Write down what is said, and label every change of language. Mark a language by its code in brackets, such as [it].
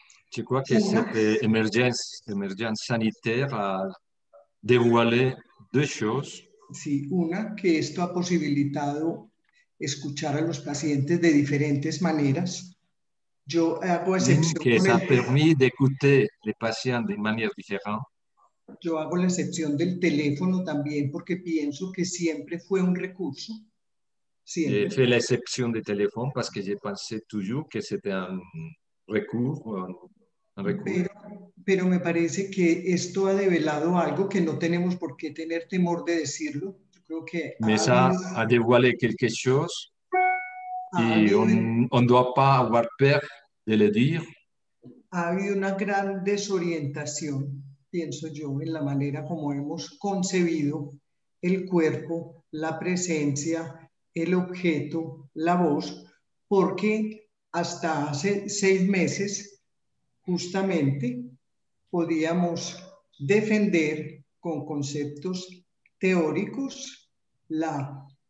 [fr] Je crois que cette émergence sanitaire a dévoilé deux choses. [es] Sí, una, que esto ha posibilitado escuchar a los pacientes de diferentes maneras. Yo hago excepción. [fr] Que ça a permis d'écouter les patients de manière différente. [es] Yo hago la excepción del teléfono también porque pienso que siempre fue un recurso. [fr] J'ai fait l'exception du téléphone parce que j'ai pensé toujours que c'était un recours. [es] Pero me parece que esto ha develado algo que no tenemos por qué tener temor de decirlo. Yo creo que [fr] mais ça a dévoilé quelque chose et on ne doit pas avoir peur de le dire. [es] Ha habido una gran desorientación, pienso yo, en la manera como hemos concebido el cuerpo, la presencia, el objeto, la voz, porque hasta hace seis meses justamente podíamos defender con conceptos teóricos la